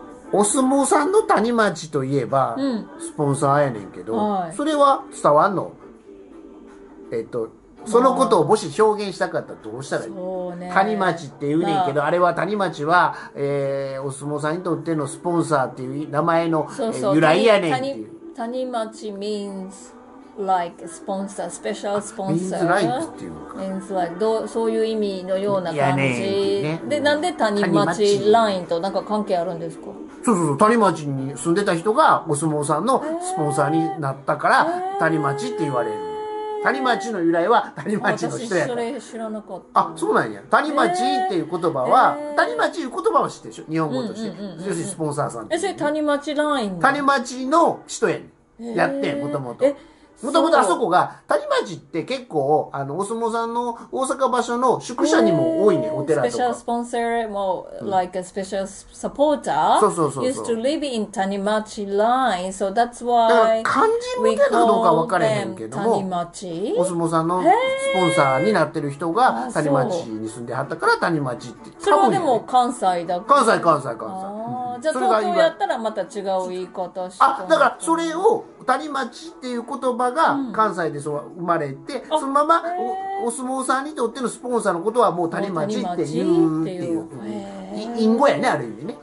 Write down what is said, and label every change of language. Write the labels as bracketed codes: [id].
[ja] お相撲さんの谷町といえば、うん、スポンサーやねんけど、はい、それは伝わんの？そのことをもし表現したかったらどうしたらいい、まあね、谷町って言うねんけど、まあ、あれは谷町は、お相撲さんにとってのスポンサーっていう名前のそうそう、由来やねんっていう [en] 谷町 means like sponsor special sponsor means like [ja] っていうか [en] means like [ja] どうそういう意味のような感じやねんっていうね、でなんで谷町ラインとなんか関係あるんですか。そうそうそう谷町に住んでた人がお相撲さんのスポンサーになったから、谷町って言われる。谷町の由来は谷町の人やから。私それ知らなかった。あ、そうなんや。谷町っていう言葉は、谷町いう言葉は知ってるでしょ日本語として。要するにスポンサーさん、ね。え、それ谷町ラインの谷町の人やん、ね。やって、もともと。もともとあそこが、谷町って結構、お相撲さんの大阪場所の宿舎にも多いね、お寺とか。スペシャルスポンサーも、 [en] like a special supporter? [ja] そうそうそう。 [en] used to live in 谷町 line, so that's why. [ja] だから、漢字向けかどうか分からへんけども、谷町お相撲さんのスポンサーになってる人が、谷町に住んではったから、谷町って。それはでも関西だから。関西、関西、関西。じゃあ東京やったらまた違う言い方して。あ、だからそれを谷町っていう言葉が関西で生まれて、うん、そのまま お相撲さんにとってのスポンサーのことはもう谷町っていうっていう隠語やねある意味ね。